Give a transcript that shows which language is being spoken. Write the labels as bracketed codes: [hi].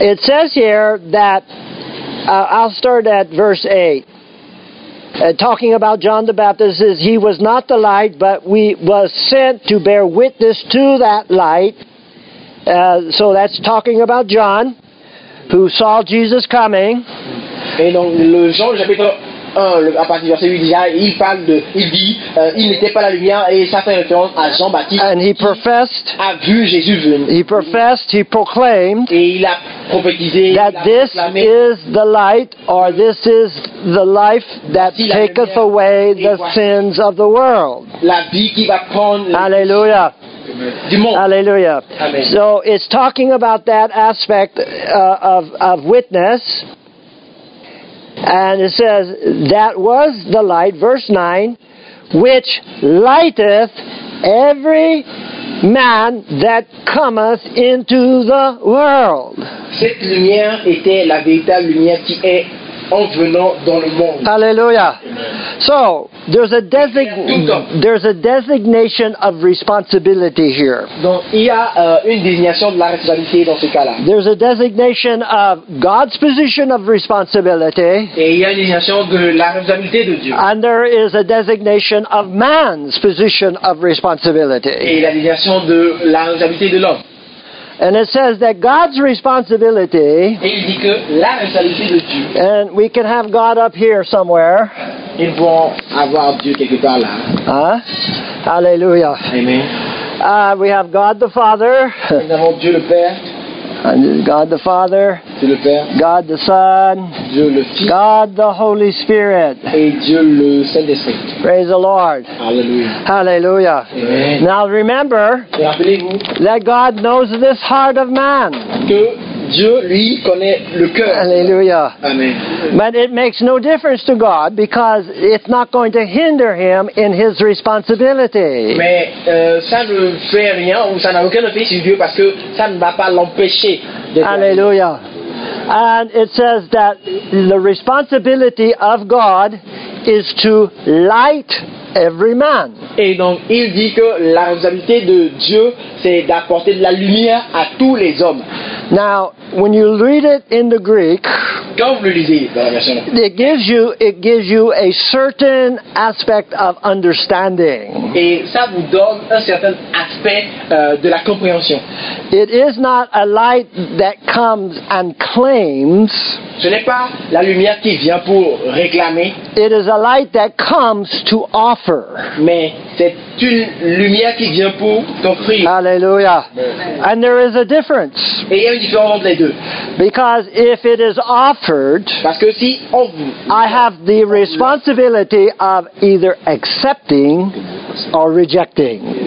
[en] It says here that, I'll start at verse 8. Talking about John the Baptist, is he was not the light, but we was sent to bear witness to that light. So that's talking about John, who saw Jesus coming. [fr] Et donc le Jean chapitre 1, à partir du verset 8, il dit, il n'était pas la lumière, et ça fait référence à Jean Baptiste. [en] And he professed. [fr] A vu Jésus venir. [en] He professed. He proclaimed. [fr] Et il a prophétisé. [en] That this is the light, or this is the life that taketh away the sins of the world. [fr] La vie qui va prendre. Alléluia. Alléluia. Amen. [en] So it's talking about that aspect of witness. And it says, that was the light, verse 9, which lighteth every man that cometh into the world. [fr] Cette lumière était la véritable lumière qui est en venant dans le monde. [en] Alléluia. So, there's a designation of responsibility here. [fr] Donc, il y a une désignation de la responsabilité dans ce cas-là. [en] There's a designation of God's position of responsibility. [fr] Et il y a une désignation de la responsabilité de Dieu. [en] And there is a designation of man's position of responsibility. [fr] Et la désignation de la responsabilité de l'homme. [en] And it says that God's responsibility, [fr] et il dit que la responsabilité de Dieu, [en] and we can have God up here somewhere. [fr] Ils vont avoir Dieu quelque part là. [en] Huh? Hallelujah. Amen. We have God the Father. [fr] Nous avons Dieu le Père. [en] God the Father, [fr] c'est le Père. [en] God the Son, [fr] Dieu le Fils. [en] God the Holy Spirit, [fr] et Dieu le Saint-Esprit. [en] Praise the Lord. Hallelujah. Hallelujah. Amen. Now remember that God knows this heart of man. [fr] Que Dieu, lui, connaît le cœur. [en] Hallelujah. Amen. But it makes no difference to God because it's not going to hinder him in his responsibility. [fr] Mais ça ne fait rien ou ça n'a aucun effet sur Dieu parce que ça ne va pas l'empêcher. [en] Hallelujah. And it says that the responsibility of God is to light every man. [fr] Et donc il dit que la responsabilité de Dieu c'est d'apporter de la lumière à tous les hommes. [en] Now, when you read it in the Greek, [fr] quand vous le lisez dans la version, [en] it gives you a certain aspect of understanding. [fr] Et ça vous donne un certain aspect de la compréhension. [en] It is not a light that comes and claims. [fr] Ce n'est pas la lumière qui vient pour réclamer. [en] It is a light that comes to offer. [fr] Mais c'est une lumière qui vient pour t'offrir. [en] Hallelujah. And there is a difference. [fr] Et il y a une différence entre les deux. [en] Because if it is offered, [fr] parce que si on vous, [en] I have the responsibility of either accepting or rejecting.